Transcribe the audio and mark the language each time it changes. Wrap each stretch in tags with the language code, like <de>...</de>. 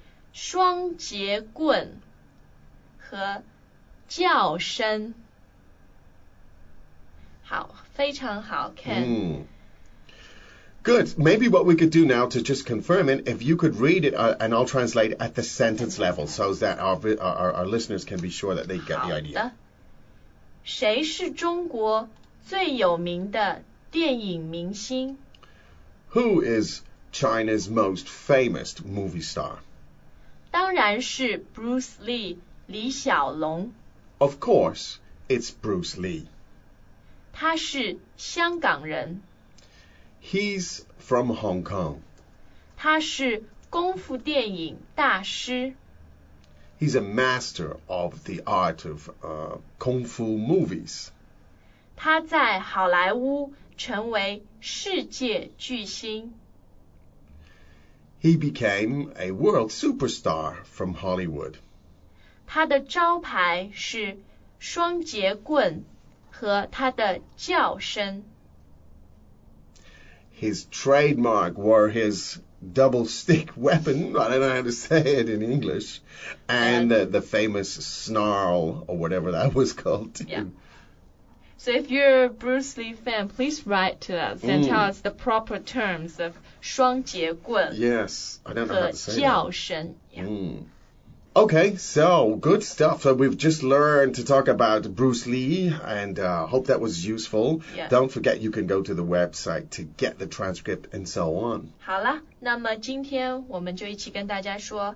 <zh>双节棍和叫声. 好,非常好, Ken.</zh> <en>Mm. Good. Maybe what we could do now to just confirm it, if you could read it, and I'll translate at the sentence level so that our listeners can be sure that they get the idea.</en> <zh>谁是中国最有名的电影明星？</zh> <en>Who is China's most famous movie star?</en> <zh>当然是 Bruce Lee, 李小龙。</zh> <en>Of course, it's Bruce Lee.</en> <zh>他是香港人。</zh> <en>He's from Hong Kong.</en> <zh>他是功夫电影大师。</zh> <en>He's a master of the art of kung fu movies.</en> <zh>他在好莱坞成为世界巨星。</zh> <en>He became a world superstar from Hollywood.</en> <zh>他的招牌是双节棍和他的叫声。</zh> <en>His trademark were his double stick weapon, I don't know how to say it in English, and the famous snarl, or whatever that was called. Yeah. So if you're a Bruce Lee fan, please write to us and tell us the proper terms of 双节棍. Yes, I don't know how to say that.</en> <zh>叫声.</zh> <en>Okay, so good stuff. So we've just learned to talk about Bruce Lee, and hope that was useful. Yeah. Don't forget you can go to the website to get the transcript and so on.</en> <zh>好了，那么今天我们就一起跟大家说</zh>